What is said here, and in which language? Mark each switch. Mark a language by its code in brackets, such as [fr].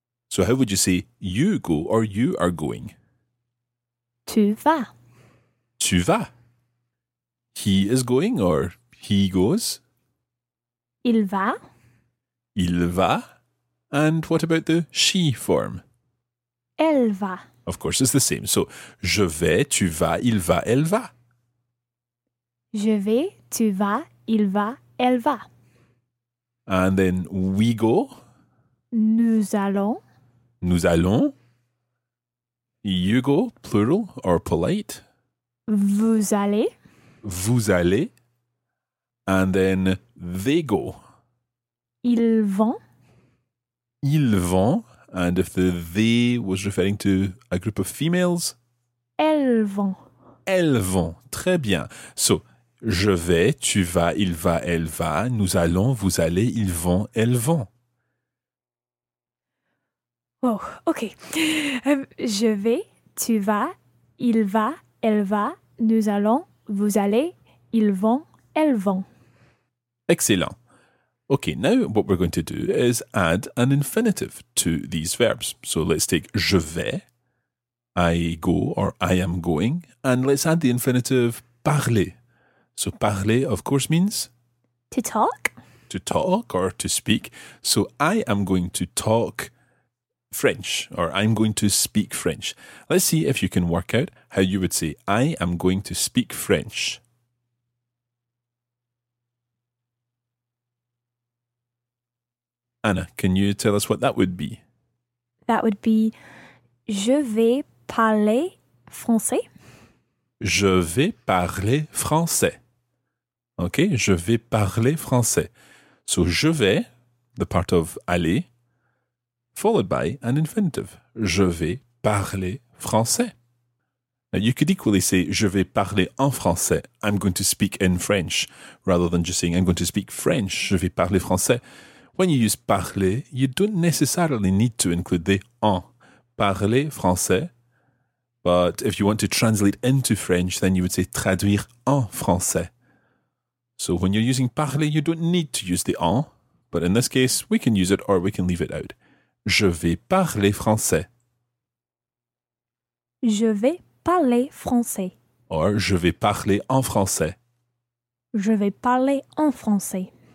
[en] So how would you say you go or you are going? [fr] Tu vas. Tu vas. [en] He is going or he goes? [fr] Il va. Il va. [en] And what about the she form? [fr] Elle va. [en] Of course, it's the same. [fr] So, je vais, tu vas, il va, elle va. Je vais, tu vas, il va, elle va. [en] And then we go. [fr] Nous allons. Nous allons. [en] You go, plural or polite. [fr] Vous allez. Vous allez. [en] And then they go. [fr] Ils vont. Ils vont. [en] And if the they was referring to a group of females. [fr] Elles vont. Elles vont. Très bien. So, je vais, tu vas, il va, elle va, nous allons, vous allez, ils vont, elles vont. Oh, ok. Je vais. Tu vas, il va, elle va, nous allons, vous allez, ils vont, elles vont. [en] Excellent. Okay, now what we're going to do is add an infinitive to these verbs. So let's take [fr] je vais, [en] I go or I am going, and let's add the infinitive parler. So parler, of course, means? To talk. to talk or to speak. So I am going to talk French, or I'm going to speak French. Let's see if you can work out how you would say, I am going to speak French. Anna, can you tell us what that would be? That would be, [fr] je vais parler français. Je vais parler français. Okay, je vais parler français. [en] So, [fr] je vais, [en] the part of aller, followed by an infinitive. [fr] Je vais parler français. [en] Now, you could equally say, [fr] je vais parler en français. [en] I'm going to speak in French, rather than just saying, I'm going to speak French. [fr] Je vais parler français. [en] When you use parler, you don't necessarily need to include the en. [fr] Parler français. [en] But if you want to translate into French, then you would say [fr] traduire en français. [en] So when you're using parler, you don't need to use the en. But in this case, we can use it or we can leave it out. [fr] Je vais parler français. Je vais parler français. Or je vais parler en français. Je vais parler en français.